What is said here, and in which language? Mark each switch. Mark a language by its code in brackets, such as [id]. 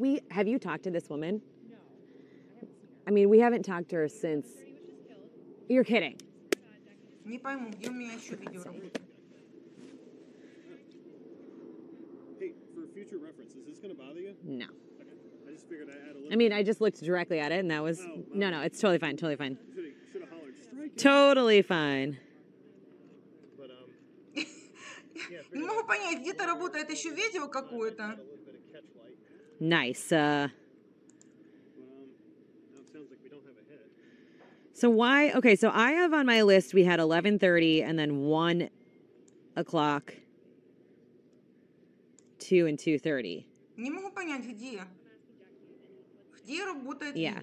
[en] Have you talked to this woman? I mean, we haven't talked to her since... You're kidding. [ru] Не пойму, где у меня еще видео работает. [en] Future reference, is this going to bother you? No. Okay. I just figured I'd add a little... I mean, I just looked directly at it, and that was... Oh, no, it's totally fine, totally fine. Should have hollered, strike it. Totally fine. But, [ru] Не могу понять, где-то работает еще видео какое-то. [en] Nice, Now it sounds like we don't have a head. So why... Okay, so I have on my list, we had 11:30 and then 1 o'clock... 2 and 2:30. [ru] Не могу понять, где. Где работает видео?